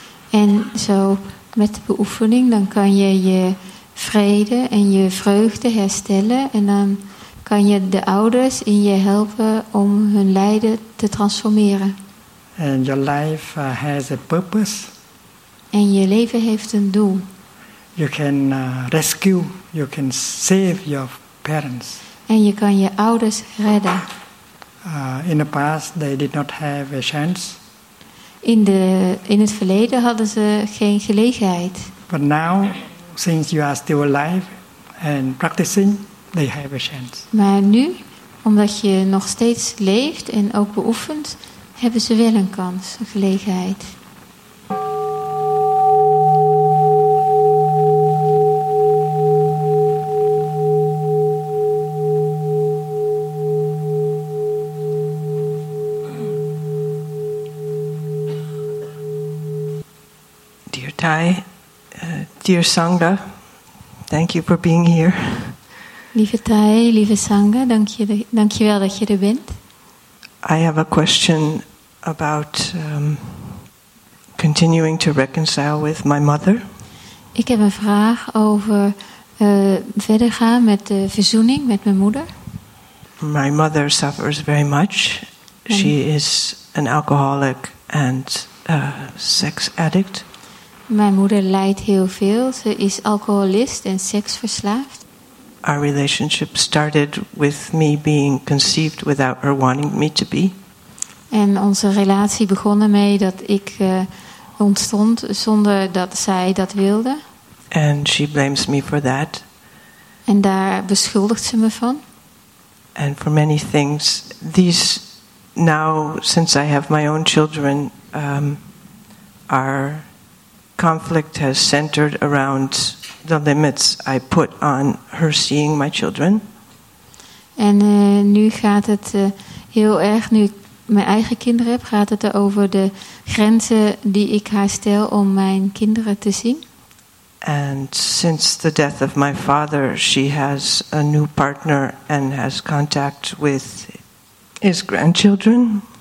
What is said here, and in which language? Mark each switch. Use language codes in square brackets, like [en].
[nl] En zo met de beoefening, dan kan je je vrede en je vreugde herstellen en dan kan je de ouders in je helpen om hun lijden te transformeren. [en] And your life has a purpose. [nl] En je leven heeft een doel. [en] You can rescue, you can save your parents. [nl] En je kan je ouders redden. [en] In the past they did not have a chance. [nl] In het verleden hadden ze geen gelegenheid. [en] But now, since you are still alive and practicing, they have a chance. [nl] Maar nu, omdat je nog steeds leeft en ook beoefent, hebben ze wel een kans, een gelegenheid. [en] Dear Thay, dear Sangha, thank you for being here. [nl] Lieve Thay, lieve Sangha, dank je wel dat je er bent. [en] I have a question about continuing to reconcile with my mother. [nl] Ik heb een vraag over verder gaan met de verzoening met mijn moeder. [en] My mother suffers very much. She is an alcoholic and a sex addict. [nl] Mijn moeder lijdt heel veel. Ze is alcoholist en seksverslaafd. [en] Our relationship started with me being conceived without her wanting me to be. [nl] En onze relatie begon ermee dat ik ontstond zonder dat zij dat wilde. [en] And she blames me for that. [nl] En daar beschuldigt ze me van. [en] And for many things. These now, since I have my own children, our conflict has centered around the limits I put on her seeing my children. [nl] En nu gaat het heel erg, nu ik mijn eigen kinderen heb, gaat het over de grenzen die ik haar stel om mijn kinderen te zien. [en] And since the death of my father, she has a new partner and has contact with his grandchildren.